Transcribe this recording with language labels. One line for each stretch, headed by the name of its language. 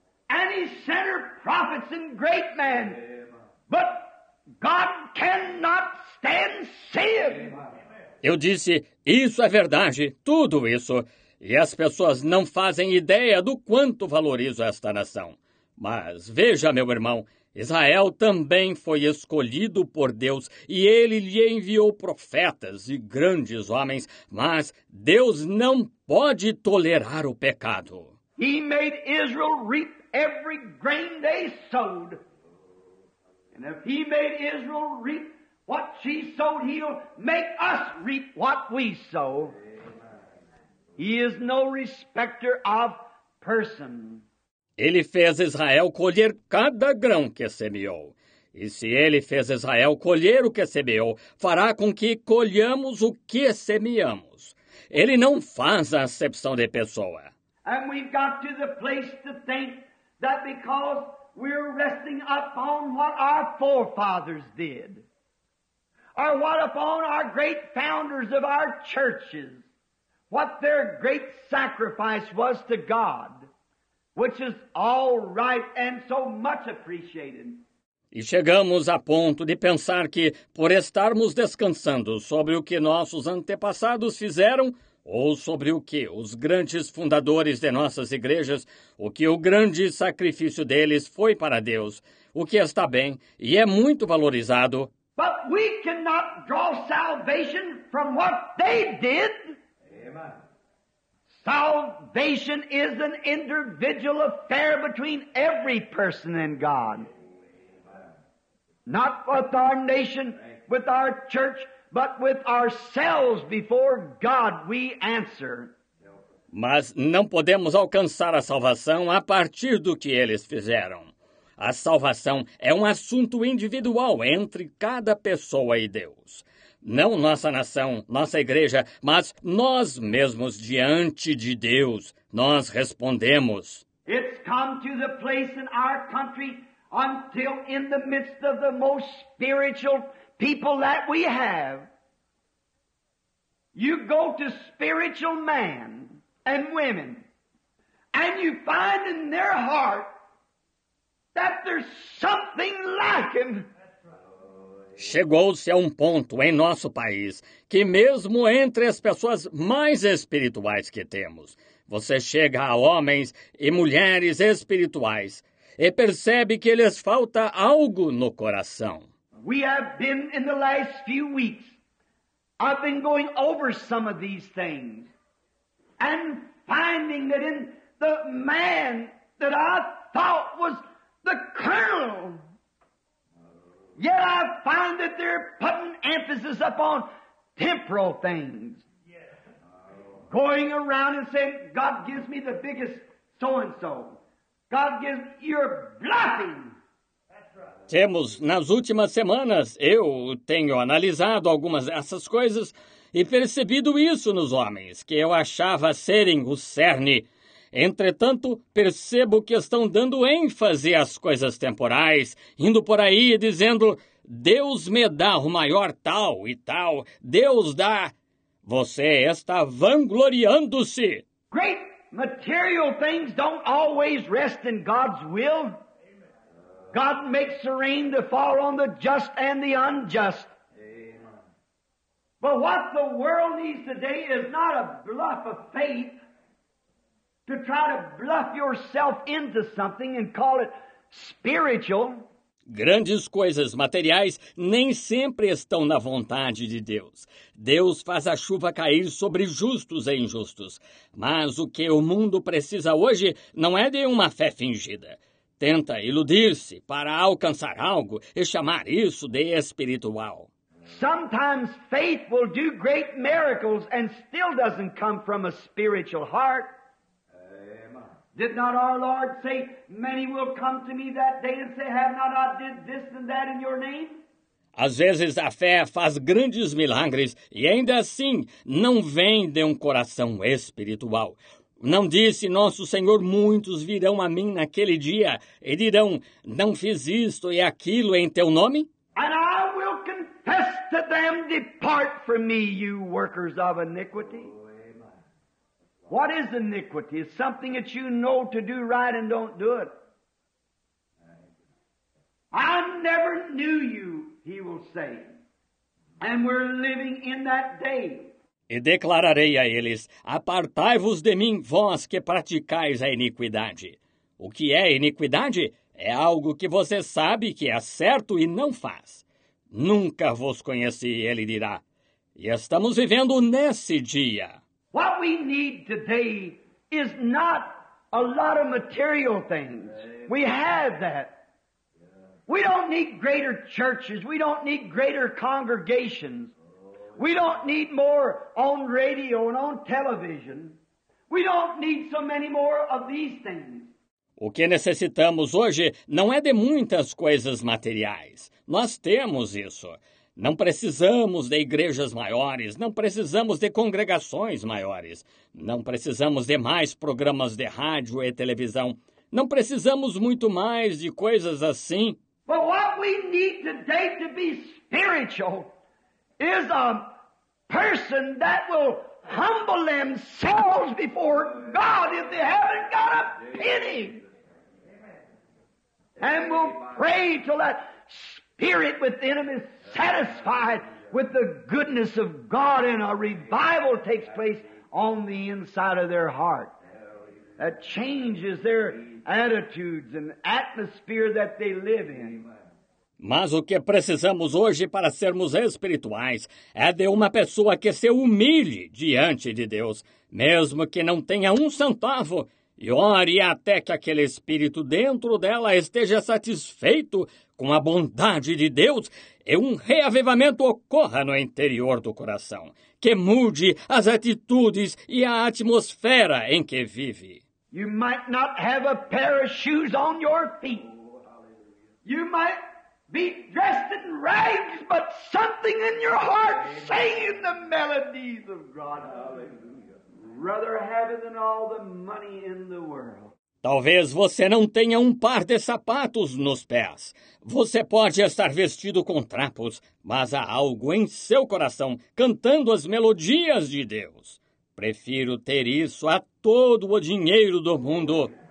English: And he sent her prophets and great men. But God cannot stand sin.
Portuguese: Eu disse, isso é verdade, tudo isso. E as pessoas não fazem ideia do quanto valorizo esta nação. Mas veja, meu irmão, Israel também foi escolhido por Deus, e ele lhe enviou profetas e grandes homens, mas Deus não pode tolerar o pecado.
English: He made Israel reap every grain they sowed. And if he made Israel reap what she sowed, he'll make us reap what we sow. He is no respecter of person.
Portuguese: Ele fez Israel colher cada grão que semeou. E se ele fez Israel colher o que semeou, fará com que colhamos o que semeamos. Ele não faz acepção de pessoa.
English: And we've got to the place to think that because we're resting upon what our forefathers did, or what upon our great founders of our churches, what their great sacrifice was to God, which is all right and so much appreciated.
Portuguese: E chegamos a ponto de pensar que, por estarmos descansando sobre o que nossos antepassados fizeram, ou sobre o que os grandes fundadores de nossas igrejas, o que o grande sacrifício deles foi para Deus, o que está bem e é muito valorizado.
English: But we cannot draw salvation from what they did. Amen. Salvation is an individual affair between every person and God. Not with our nation, with our church, but with ourselves before God we answer.
Portuguese: Mas não podemos alcançar a salvação a partir do que eles fizeram. A salvação é um assunto individual entre cada pessoa e Deus. Não nossa nação, nossa igreja, mas nós mesmos diante de Deus, nós respondemos.
English: It's come to the place in our country until in the midst of the most spiritual people that we have, you go to spiritual men and women, and you find in their heart that there's something lacking.
Portuguese: Chegou-se a um ponto em nosso país que mesmo entre as pessoas mais espirituais que temos, você chega a homens e mulheres espirituais e percebe que lhes falta algo no coração.
English: We have been in the last few weeks, I've been going over some of these things and finding that in the man that I thought was the colonel, yet I find that they're putting emphasis upon temporal things. Yes. Going around and saying, God gives me the biggest so-and-so. God gives, you're bluffing.
Portuguese: Temos, nas últimas semanas, eu tenho analisado algumas dessas coisas e percebido isso nos homens, que eu achava serem o cerne. Entretanto, percebo que estão dando ênfase às coisas temporais, indo por aí e dizendo, Deus me dá o maior tal e tal, Deus dá. Você está vangloriando-se.
English: Great material things don't always rest in God's will. God makes the rain to fall on the just and the unjust. Amen. But what the world needs today is not a bluff of faith to try to bluff yourself into something and call it spiritual.
Portuguese: Grandes coisas materiais nem sempre estão na vontade de Deus. Deus faz a chuva cair sobre justos e injustos. Mas o que o mundo precisa hoje não é de uma fé fingida. Tenta iludir-se para alcançar algo e chamar isso de espiritual.
English: Sometimes faith will do great miracles and still doesn't come from a spiritual heart. Amen. Did not our Lord say, many will come to me that day and say, have not I did this and that in your name?
Portuguese: Às vezes a fé faz grandes milagres e ainda assim não vem de um coração espiritual. Não disse nosso Senhor, muitos virão a mim naquele dia e dirão, não fiz isto e aquilo em teu nome?
English: And I will confess to them, depart from me, you workers of iniquity. What is iniquity? It's something that you know to do right and don't do it. I never knew you, he will say. And we're living in that day.
Portuguese: E declararei a eles, apartai-vos de mim, vós que praticais a iniquidade. O que é iniquidade? É algo que você sabe que é certo e não faz. Nunca vos conheci, ele dirá. E estamos vivendo nesse dia.
English: What we need today is not a lot of material things. We have that. We don't need greater churches. We don't need greater congregations. We don't need more on radio and on television. We don't need so many more of these things.
Portuguese: O que necessitamos hoje não é de muitas coisas materiais. Nós temos isso. Não precisamos de igrejas maiores. Não precisamos de congregações maiores. Não precisamos de mais programas de rádio e televisão. Não precisamos muito mais de coisas assim.
English: But what we need today to be spiritual is a person that will humble themselves before God if they haven't got a penny. And will pray till that spirit within them is satisfied with the goodness of God and a revival takes place on the inside of their heart. That changes their attitudes and atmosphere that they live in.
Portuguese: Mas o que precisamos hoje para sermos espirituais é de uma pessoa que se humilhe diante de Deus, mesmo que não tenha um centavo, e ore até que aquele espírito dentro dela esteja satisfeito com a bondade de Deus e um reavivamento ocorra no interior do coração, que mude as atitudes e a atmosfera em que vive.
English: You might not have a pair of shoes on your feet. You might be dressed in rags, but something in your heart singing the melodies of God. Hallelujah. Rather have it than all the money in the world.
Portuguese: Talvez você não tenha um par de sapatos nos pés. Você pode estar vestido com trapos, mas há algo em seu coração cantando as melodias de Deus. Prefiro ter isso a todo o dinheiro do mundo.